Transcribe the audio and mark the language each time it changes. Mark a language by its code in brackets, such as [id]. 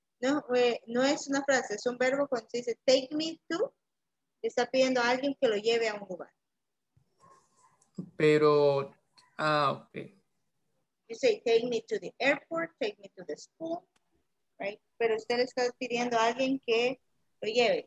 [es] No, no es una frase, es un verbo cuando se dice take me to. Está pidiendo a alguien que lo lleve a un lugar. Pero, ah, okay. [en] You say take me to the airport, take me to the school, right? [es] Pero usted está pidiendo a alguien que lo lleve.